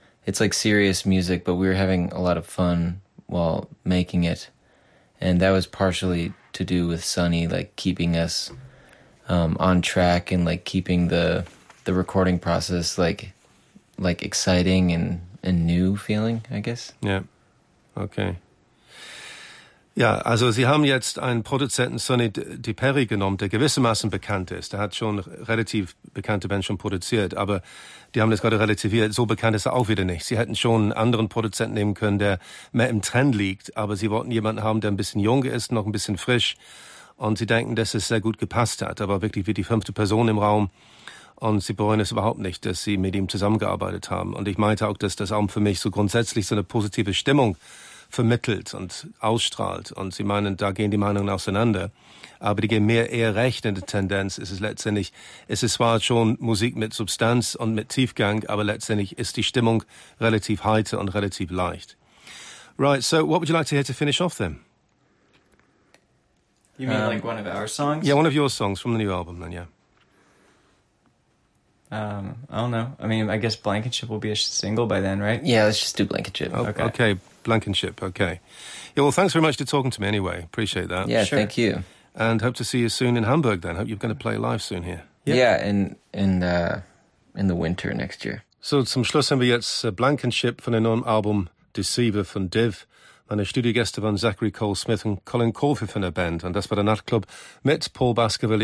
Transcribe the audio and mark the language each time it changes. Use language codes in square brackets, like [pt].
[en] It's like serious music, but we were having a lot of fun while making it. And that was partially to do with Sonny, like, keeping us on track and, like, keeping the recording process, like exciting and new feeling, I guess. Yeah. Okay. [de] Ja, also Sie haben jetzt einen Produzenten, Sonny Diperi, genommen, der gewissermaßen bekannt ist. Er hat schon relativ bekannte Bands schon produziert, aber die haben das gerade relativiert. So bekannt ist er auch wieder nicht. Sie hätten schon einen anderen Produzenten nehmen können, der mehr im Trend liegt, aber Sie wollten jemanden haben, der ein bisschen jung ist, noch ein bisschen frisch. Und Sie denken, dass es sehr gut gepasst hat, aber wirklich wie die fünfte Person im Raum. Und Sie bereuen es überhaupt nicht, dass Sie mit ihm zusammengearbeitet haben. Und ich meinte auch, dass das auch für mich so grundsätzlich so eine positive Stimmung vermittelt und ausstrahlt. Und Sie meinen, da gehen die Meinungen auseinander. Aber die gehen mir eher recht in der Tendenz. Es ist letztendlich, es ist zwar schon Musik mit Substanz und mit Tiefgang, aber letztendlich ist die Stimmung relativ heiter und relativ leicht. [en] Right, so what would you like to hear to finish off then? You mean like one of our songs? Yeah, one of your songs from the new album then, yeah. I don't know. I mean, I guess Blankenship will be a single by then, right? Yeah, let's just do Blankenship. Oh, okay. Okay, Blankenship, okay. Yeah, well, thanks very much for talking to me anyway. Appreciate that. Yeah, sure. Thank you. And hope to see you soon in Hamburg then. Hope you're going to play live soon here. Yeah, yeah, in the winter next year. [de] So, zum Schluss haben wir jetzt Blankenship von dem neuen Album Deceiver von Div. Meine Studiogäste waren Zachary Cole-Smith und Colin Corfe von der Band. Und das war der Nachtclub mit Paul Baskerville.